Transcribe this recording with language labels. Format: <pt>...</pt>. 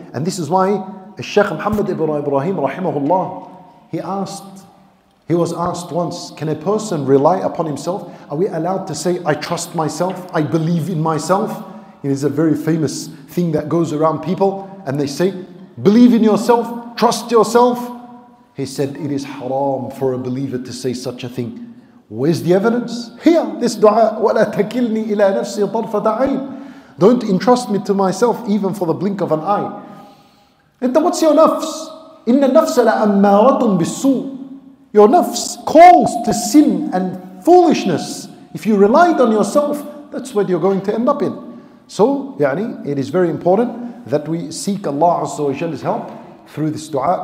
<en>And this is why Sheikh Muhammad ibn Ibrahim, rahimahullah, he was asked once, can a person rely upon himself? Are we allowed to say, I trust myself, I believe in myself? It is a very famous thing that goes around people, and they say, believe in yourself, trust yourself. He said, it is haram for a believer to say such a thing. Where's the evidence? Here, this dua,</en> <ar>وَلَا تَكِلْنِي إِلَى نَفْسِ طَرْفَةَ عَيْنٍ.</ar> <en>Don't entrust me to myself even for the blink of an eye. And what's your nafs?</en> <ar>إِنَّ النَّفْسَ لَأَمَّارَةٌ بِالسُّوءٍ.</ar> <en>Your nafs calls to sin and foolishness. If you relied on yourself, that's what you're going to end up in. So,</en> <ar>يعني,</ar> <en>it is very important that we seek Allah Azza wa Jalla's help through this dua.</en>